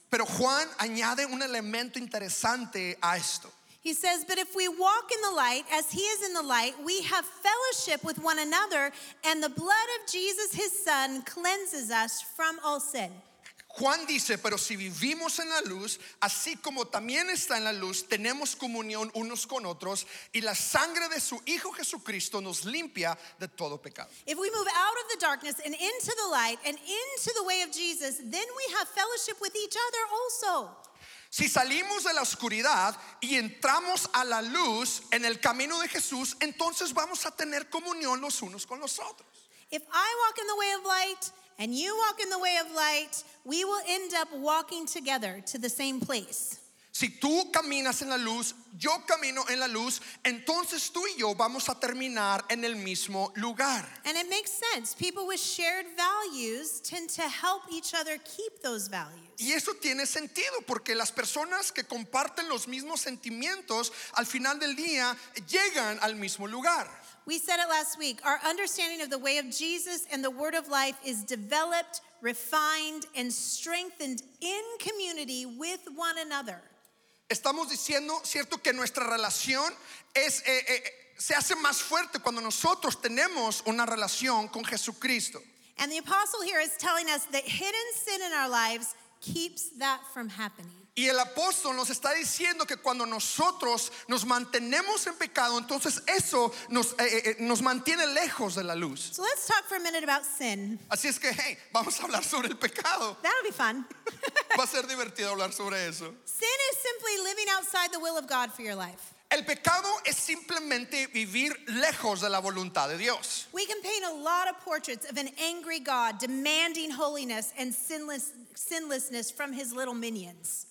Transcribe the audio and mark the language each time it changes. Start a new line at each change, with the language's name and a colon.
Spanish: Pero Juan añade un elemento interesante a esto.
English: He says, but if we walk in the light as he is in the light, we have fellowship with one another, and the blood of Jesus, his son, cleanses us from all sin.
Spanish: Juan dice, pero si vivimos en la luz, así como también está en la luz, tenemos comunión unos con otros, y la sangre de su Hijo Jesucristo nos limpia de todo pecado.
English: If we move out of the darkness and into the light and into the way of Jesus, then we have fellowship with each other also.
Spanish: Si salimos de la oscuridad y entramos a la luz en el camino de Jesús, entonces vamos a tener comunión los unos con los otros.
English: If I walk in the way of light and you walk in the way of light, we will end up walking together to the same place.
Spanish: Si tú caminas en la luz, yo camino en la luz, entonces tú y yo vamos a terminar en el mismo lugar.
English: And it makes sense. People with shared values tend to help each other keep those values.
Spanish: Y eso tiene sentido porque las personas que comparten los mismos sentimientos al final del día llegan al mismo lugar.
English: We said it last week. Our understanding of the way of Jesus and the word of life is developed, refined, and strengthened in community with one another.
Spanish: Estamos diciendo, cierto, que nuestra relación es se hace más fuerte cuando nosotros tenemos una relación con Jesucristo.
English: And the apostle here is telling us that hidden sin in our lives keeps that from happening.
Spanish: Y el apóstol nos está diciendo que cuando nosotros nos mantenemos en pecado, entonces eso nos mantiene lejos de la luz.
English: So let's talk for a minute about sin.
Spanish: Así es que, hey, vamos a hablar sobre el pecado.
English: That'll be fun.
Spanish: Va a ser divertido hablar sobre eso.
English: Sin is simply living outside the will of God for your life.
Spanish: El pecado es simplemente vivir lejos de la voluntad de Dios.
English: We can paint a lot of portraits of an angry God demanding holiness and sinlessness from his little minions.